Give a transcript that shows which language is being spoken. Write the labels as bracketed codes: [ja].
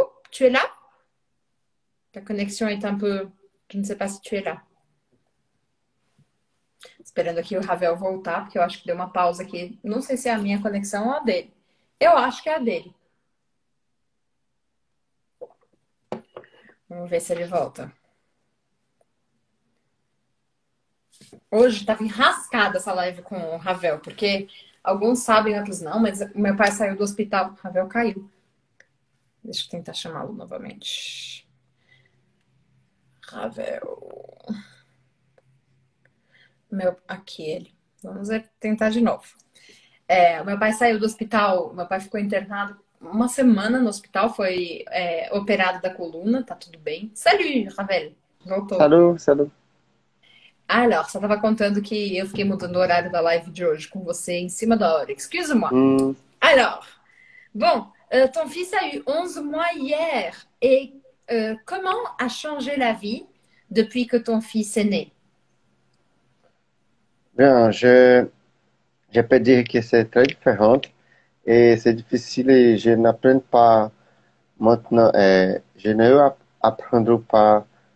[fr] Tu es là? Ta connexion est un peu, je ne sais pas si tu es là. [pt] Esperando aqui o Ravel voltar, porque eu acho que deu uma pausa aqui. Não sei se é a minha conexão ou a dele. Eu acho que é a dele. Vamos ver se ele volta. Hoje estava enrascada essa live com o Ravel, porque alguns sabem, outros não, mas meu pai saiu do hospital, o Ravel caiu. Deixa eu tentar chamá-lo novamente. Ravel. Aqui ele. Vamos tentar de novo. Meu pai saiu do hospital, meu pai ficou internado. Uma semana no hospital, foi operado da coluna, tá tudo bem. [fr] Salut, Ravel! [pt] Voltou. [fr] Salut, salut. [pt] Alors, só tava contando que eu fiquei mudando o horário da live de hoje com você em cima da hora. [fr] Excuse-moi. Alors, bom, ton fils a eu 11 mois hier. Et comment a changé la vie depuis que ton fils est né? Bien, je peux dire que c'est très différent et c'est difficile et je n'apprends pas maintenant et je ne vais apprendre pas.